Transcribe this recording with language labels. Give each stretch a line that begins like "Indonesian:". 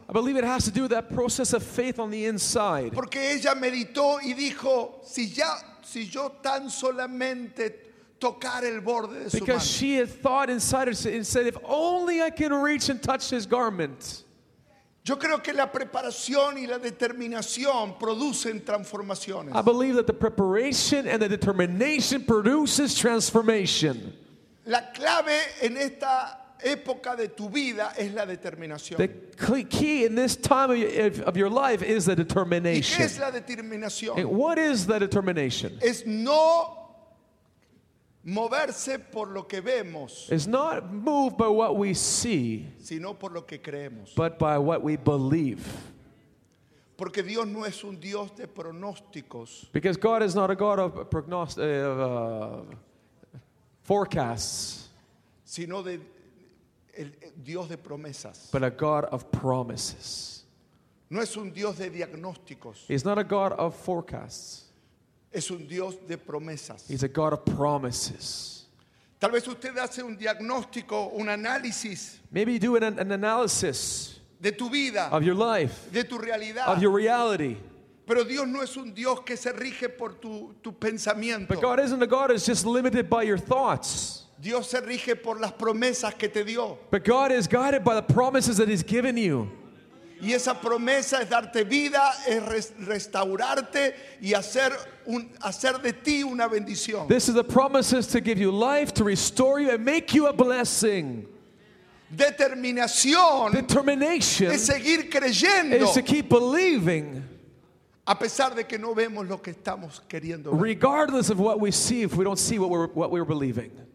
English: I believe it has to do with that process of faith on the inside.
Spanish: Porque ella meditó y dijo, si yo tan solamente tocar el borde de su mano.
English: Because she had thought inside herself and said, if only I can reach and touch his garment.
Spanish: Yo creo que la preparación y la determinación producen transformaciones.
English: I believe that the preparation and the determination produces transformation.
Spanish: La clave en esta época de tu vida es la determinación.
English: The key in this time of your life is the determination.
Spanish: ¿Y qué es la determinación?
English: And what is the determination?
Spanish: Es no moverse por lo que vemos.
English: It's not moved by what we see,
Spanish: sino por lo que creemos.
English: But by what we believe.
Spanish: Porque Dios no es un Dios de pronósticos.
English: Because God is not a God of forecasts,
Spanish: sino de el Dios de promesas.
English: But a God of promises.
Spanish: No es un Dios de diagnósticos.
English: He's not a God of forecasts.
Spanish: Es un Dios de promesas.
English: He's a God of promises.
Spanish: Tal vez usted hace un diagnóstico, un análisis.
English: Maybe you do an analysis.
Spanish: De tu vida.
English: Of your life.
Spanish: De tu realidad.
English: Of your reality.
Spanish: Pero Dios no es un Dios que se rige por tu pensamiento.
English: But God isn't a God that's just limited by your thoughts.
Spanish: Dios se rige por las promesas que te dio.
English: But God is guided by the promises that he's given you.
Spanish: Y esa promesa es darte vida, es restaurarte y hacer de ti una bendición.
English: This is the promises to give you life, to restore you and make you a blessing.
Spanish: Determinación.
English: Determination.
Spanish: Es seguir creyendo.
English: Is to keep believing.
Spanish: A pesar de que no vemos lo que estamos queriendo ver.
English: Regardless of what we see, if we don't see what we're believing.